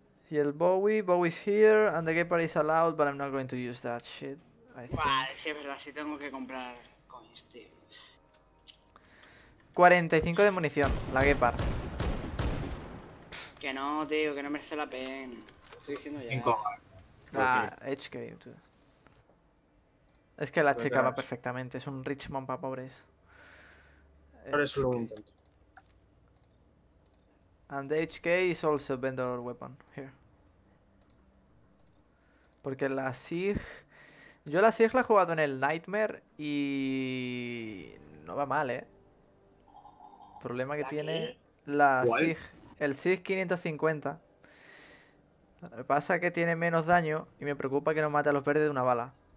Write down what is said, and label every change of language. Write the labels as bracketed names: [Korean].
[English] Y el Bowie. Bowie's here, and the Gepard is allowed, but I'm not going to use that shit. I think. [Spanish] Sí, es verdad, sí tengo que comprar con este. 45 de munición, la Gepard. Que no, tío, que no merece la pena. Lo estoy diciendo ya. Ah, HK, tío. Es que la checaba perfectamente, es un Richmond para pobres. Ahora es solo un HK. intento. [English] And the HK is also vendor weapon here. [Spanish] Porque la Sig. Yo la Sig la he jugado en el Nightmare y no va mal, ¿eh? Problema que ¿La qué? tiene la ¿Cuál? Sig. El Sig 550. Lo que pasa es que tiene menos daño y me preocupa que no mate a los verdes de una bala.